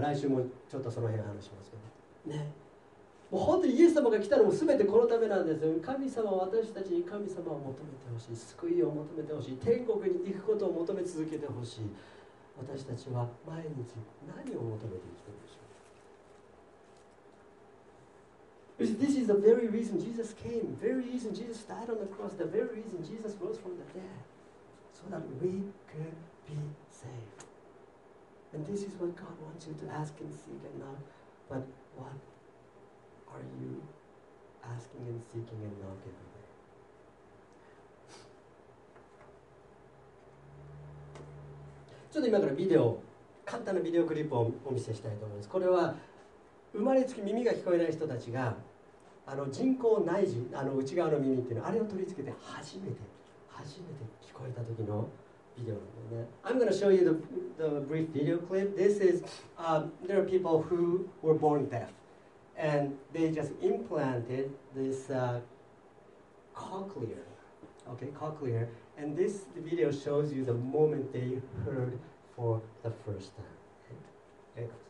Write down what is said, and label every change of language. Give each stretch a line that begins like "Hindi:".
Japanese: 来週もちょっとその辺話しますけどね。もう本当にイエス様が来たのも全てこのためなんですよ。神様は私たちに、神様を求めてほしい、救いを求めてほしい、天国に行くことを求め続けてほしい。私たちは毎日何を求めて生きているでしょう。
English: This is the very reason Jesus came, very reason Jesus died on the cross, the very reason Jesus rose from the dead, so that we could be savedAnd this is what God wants you to ask and seek and knock. But what are you asking and seeking and knock every day?
Japanese: ちょっと今からビデオ、簡単なビデオクリップをお見せしたいと思います。これは生まれつき耳が聞こえない人たちが、あの人工内耳、あの内側の耳っていうの、あれを取り付けて初めて聞こえた時の。
English: I'm going to show you the brief video clip. This is, there are people who were born deaf, and they just implanted this cochlear, okay, cochlear, and this video shows you the moment they heard for the first time.